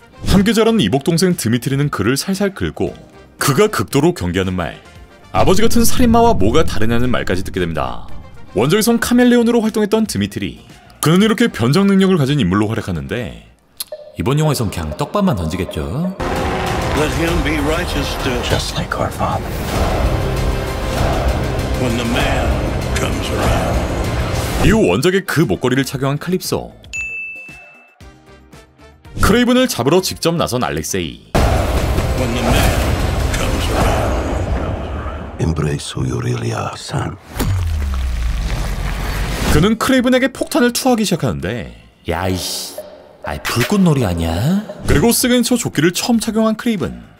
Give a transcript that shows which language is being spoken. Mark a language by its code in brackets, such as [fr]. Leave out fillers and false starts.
[ko] 함께 자란 이복 동생 드미트리는 그를 살살 긁고 그가 극도로 경계하는 말, 아버지 같은 살인마와 뭐가 다르냐는 말까지 듣게 됩니다. 원작에선 카멜레온으로 활동했던 드미트리, 그는 이렇게 변장 능력을 가진 인물로 활약하는데 이번 영화에선 그냥 떡밥만 던지겠죠. [en] Let him be righteous too. Just like our father. When the man comes around. [ko] 이후 원작의 그 목걸이를 착용한 칼립소, 크레이븐을 잡으러 직접 나선 알렉세이. [en] When the man comes around. Embrace Aurelia, son. [ko] 그는 크레이븐에게 폭탄을 투하하기 시작하는데 야이씨, 아이 불꽃놀이 아니야? 그리고 시그니처 조끼를 처음 착용한 크레이븐,